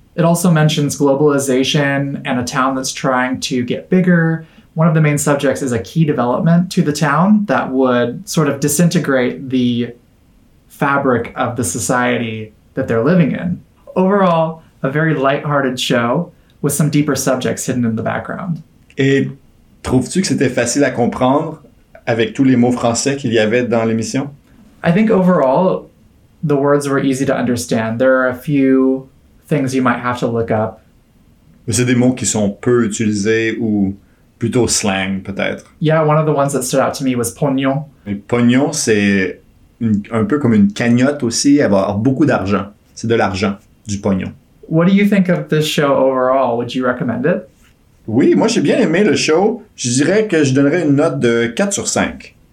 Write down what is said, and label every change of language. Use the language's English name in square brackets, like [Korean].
[English] It also mentions globalization and a town that's trying to get bigger. One of the main subjects is a key development to the town that would sort of disintegrate the fabric of the society that they're living in. Overall, a very lighthearted show with some deeper subjects hidden in the background. [French] Et trouves-tu que c'était facile à comprendre avec tous les mots français qu'il y avait dans l'émission? [English] I think overall, the words were easy to understand. There are a few things you might have to look up. [French] Mais c'est des mots qui sont peu utilisés ou plutôt slang, peut-être. [English] Yeah, one of the ones that stood out to me was pognon. [French] Et pognon, c'est un peu comme une cagnotte aussi, avoir beaucoup d'argent. C'est de l'argent, du pognon. [English] What do you think of this show overall? Would you recommend it? [French] Oui, moi j'ai bien aimé le show. Je dirais que je donnerais une note de 4 sur 5.